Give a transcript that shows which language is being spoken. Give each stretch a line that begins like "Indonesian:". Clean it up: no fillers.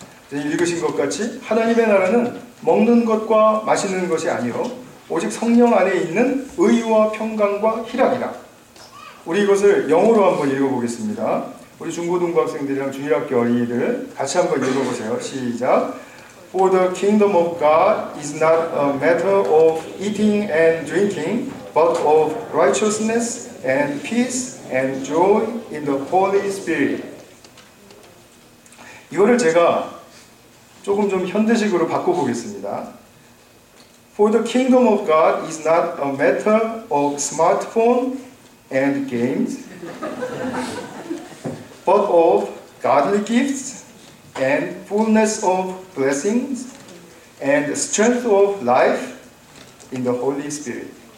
Korean: 이제 읽으신 것 같이 하나님의 나라는 먹는 것과 마시는 것이 아니요 오직 성령 안에 있는 의와 평강과 희락이라. 우리 이것을 영어로 한번 읽어보겠습니다. 우리 중고등부 학생들이랑 주일학교 어린이들 같이 한번 읽어보세요. 시작!
English: For the kingdom of God is not a matter of eating and drinking, but of righteousness and peace and joy in the Holy Spirit.
Korean: 이거를 제가 조금 좀 현대식으로 바꿔보겠습니다.
English: For the kingdom of God is not a matter of smartphone and games, but of godly gifts and fullness of blessings and strength of life in the Holy Spirit.